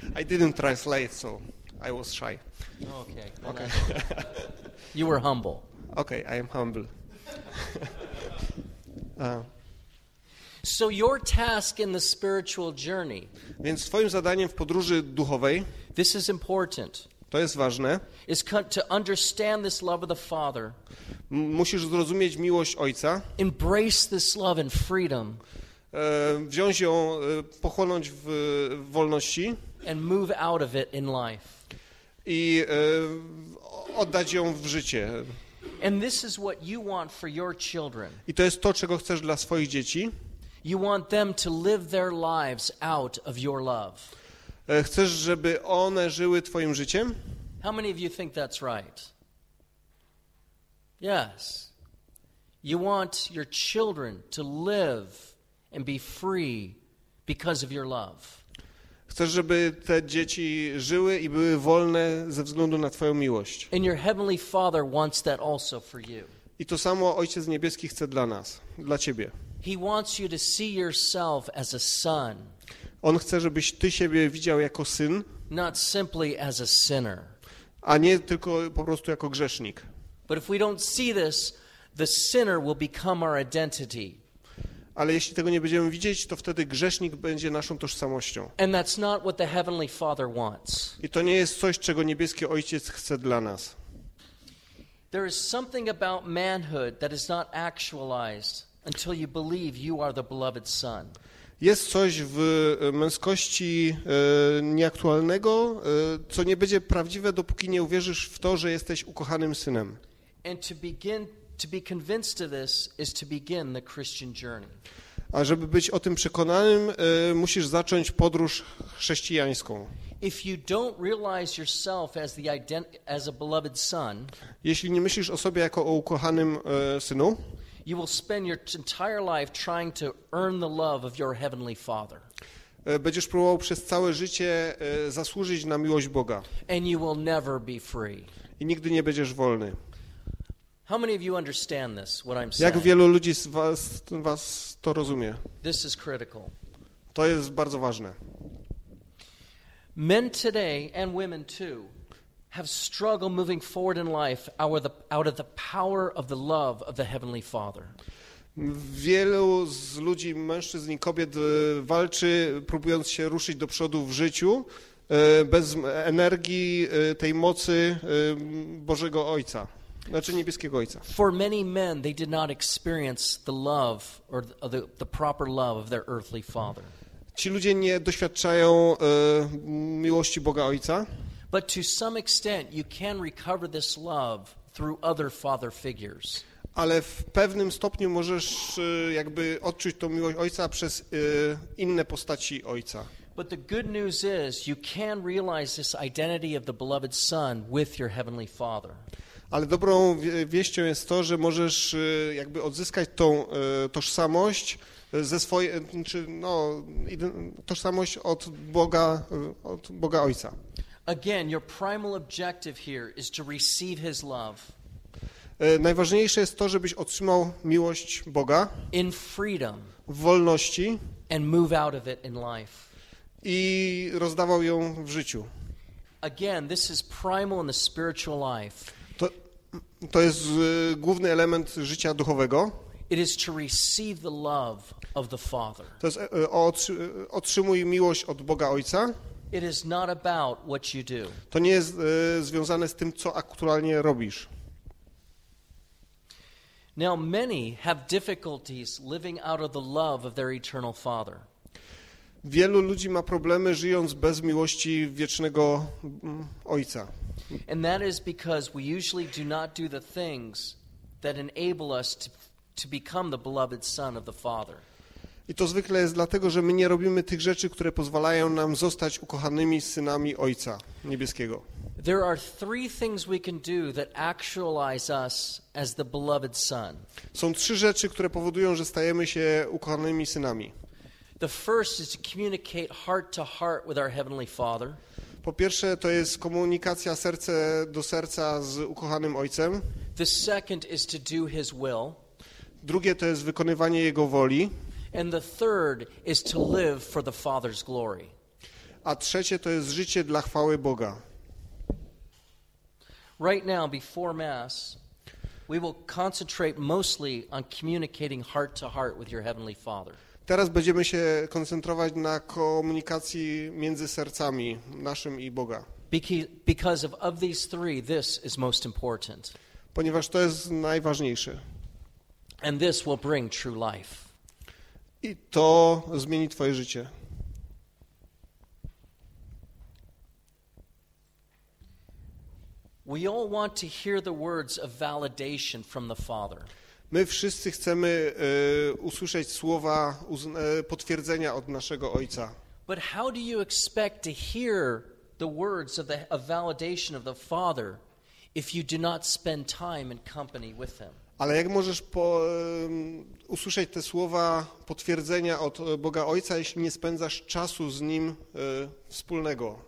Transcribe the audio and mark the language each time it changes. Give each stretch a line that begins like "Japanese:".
English: I didn't translate, so I was shy. Okay. Okay. You were humble. Okay, I am humble. So your task in the spiritual journey.
Polish: Więc twoim zadaniem w podróży duchowej.
English: This is important.
Polish: To jest ważne.
English: Is to understand this love of the Father.
Polish: Musisz zrozumieć miłość Ojca.
English: Embrace this love and freedom.
Polish: Wziąć ją, pochłonąć w wolności.
English: And move out of it in life.
Polish: I oddać ją w życie.
English: And this is what you want for your children.
Polish: I to jest to, czego chcesz dla swoich dzieci.
English: You want them to live their lives out of your love.
Polish: Chcesz, żeby one żyły twoim życiem?
English: How many of you think that's right? Yes. You want your children to live and be free because of your love.
Polish: Chcesz, żeby te dzieci żyły i były wolne ze względu na twoją miłość.
English: And your heavenly Father wants that also for you.
Polish: I to samo Ojciec Niebieski chce dla nas, dla ciebie.
English: He wants you to see yourself as a son.
Polish: On chce, żebyś ty siebie widział jako syn.
English: Not simply as a sinner.
Polish: A nie tylko po prostu jako grzesznik.
English: But if we don't see this, the sinner will become our identity.
Polish: Ale jeśli tego nie będziemy widzieć, to wtedy grzesznik będzie naszą tożsamością.
English: And that's not what the Heavenly Father wants.
Polish: I to nie jest coś, czego niebieski Ojciec chce dla nas.
English: There is something about manhood that is not actualized until you believe you are the beloved son.
Polish: Jest coś w męskości nieaktualnego, co nie będzie prawdziwe, dopóki nie uwierzysz w to, że jesteś ukochanym synem.
English: And to begin to be convinced of this is to begin the Christian journey.
Polish: A żeby być o tym przekonanym, musisz zacząć podróż chrześcijańską.
English: If you don't realize yourself as the as a beloved son,
Polish: jeśli nie myślisz o sobie jako o ukochanym synu,
English: you will spend your entire life trying to earn the love of your heavenly father.
Polish: Będziesz próbował przez całe życie zasłużyć na miłość Boga.
English: And you will never be free.
Polish: I nigdy nie będziesz wolny.
English: How many of you understand this, what I'm saying?
Polish: Jak wielu ludzi z was to rozumie?
English: This is critical.
Polish: To jest bardzo ważne.
English: Men today and women too have struggled moving forward in life out of the power of the love of the Heavenly Father.
Polish: Wielu z ludzi, mężczyzn i kobiet walczy, próbując się ruszyć do przodu w życiu bez energii tej mocy Bożego Ojca. Znaczy niebieskiego Ojca.
English: For many men, they did not experience the love or the proper love of their earthly father.
Polish: Ci ludzie nie doświadczają miłości Boga Ojca.
English: But to some extent, you can recover this love through other father figures.
Polish: Ale w pewnym stopniu możesz jakby odczuć tą miłość Ojca przez inne postaci Ojca.
English: But the good news is, you can realize this identity of the beloved son with your heavenly father.
Polish: Ale dobrą wieścią jest to, że możesz jakby odzyskać tą tożsamość ze swojej, czy no, tożsamość od Boga Ojca.
English: Again, your primal objective here is to receive His love.
Polish: Najważniejsze jest to, żebyś otrzymał miłość Boga
English: in freedom
Polish: w wolności
English: and move out of it in life.
Polish: I rozdawał ją w życiu.
English: Again, this is primal in the spiritual life.
Polish: To jest główny element życia duchowego.
English: It is to receive the love of the Father.
Polish: To jest otrzymuj miłość od Boga Ojca.
English: It is not about what you do.
Polish: To nie jest związane z tym, co aktualnie robisz.
English: Now many have difficulties living out of the love of their eternal Father.
Polish: Wielu ludzi ma problemy żyjąc bez miłości wiecznego Ojca.
English: And that is because we usually do not do the things that enable us to become the beloved son of the Father.
Polish: I to zwykle jest dlatego, że my nie robimy tych rzeczy, które pozwalają nam zostać ukochanymi synami Ojca Niebieskiego.
English: There are three things we can do that actualize us as the beloved son.
Polish: Są trzy rzeczy, które powodują, że stajemy się ukochanymi synami.
English: The first is to communicate heart to heart with our heavenly Father.
Polish: Po pierwsze, to jest komunikacja serce do serca z ukochanym Ojcem.
English: The second is to do His will.
Polish: Drugie, to jest wykonywanie Jego woli.
English: And the third is to live for the Father's glory.
Polish: A trzecie, to jest życie dla chwały Boga.
English: Right now, before Mass, we will concentrate mostly on communicating heart to heart with your heavenly Father.
Polish: Teraz będziemy się koncentrować na komunikacji między sercami, naszym i Boga.
English: Because of these three, this is most important.
Polish: Ponieważ to jest najważniejsze.
English: And this will bring true life.
Polish: I to zmieni twoje życie.
English: We all want to hear the words of validation from the Father.
Polish: My wszyscy chcemy usłyszeć słowa potwierdzenia od naszego Ojca.
English: But how do you expect to hear the words of the of validation of the Father if you do not spend time in company with him?
Polish: Ale jak możesz usłyszeć te słowa potwierdzenia od Boga Ojca, jeśli nie spędzasz czasu z Nim wspólnego?